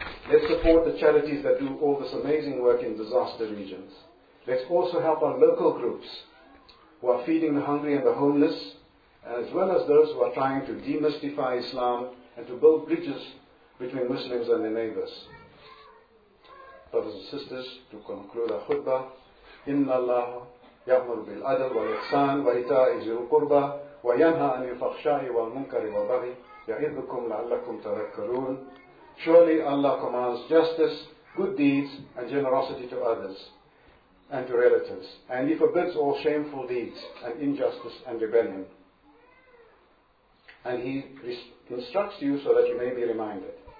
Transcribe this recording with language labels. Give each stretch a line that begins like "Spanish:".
English: Let's support the charities that do all this amazing work in disaster regions. Let's also help our local groups who are feeding the hungry and the homeless, as well as those who are trying to demystify Islam and to build bridges between Muslims and their neighbors. Brothers and sisters, to conclude our khutbah,
Arabic: إِنَّ اللَّهُ يَأْمُرُ بِالْعَدَلِ وَالْإِحْسَانِ وَإِيتَاءِ ذِي الْقُرْبَى وَيَنْهَى عَنِ الْفَحْشَاءِ وَالْمُنكَرِ وَالْبَغْيِ يَعِظُكُمْ لَعَلَّكُمْ تَذَكَّرُونَ.
English: Surely Allah commands justice, good deeds, and generosity to others and to relatives, and He forbids all shameful deeds and injustice and rebellion. And He instructs you so that you may be reminded.